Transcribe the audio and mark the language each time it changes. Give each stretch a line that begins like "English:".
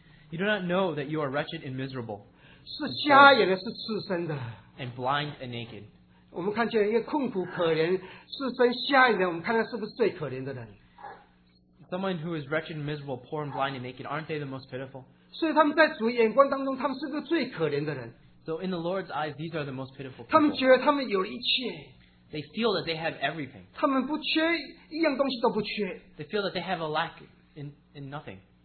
English: You do not know that you are wretched and miserable.
Chinese: 是瞎眼的,是赤身的。
English: And blind and naked.
Chinese: 我们看见一个困苦,可怜,赤身,瞎眼的,我们看他是不是最可怜的人。
English: Someone who is wretched and miserable, poor and blind and naked, aren't they the most pitiful? So in the Lord's eyes, these are the most pitiful people. They feel that they have everything. They feel that they have a lack in nothing.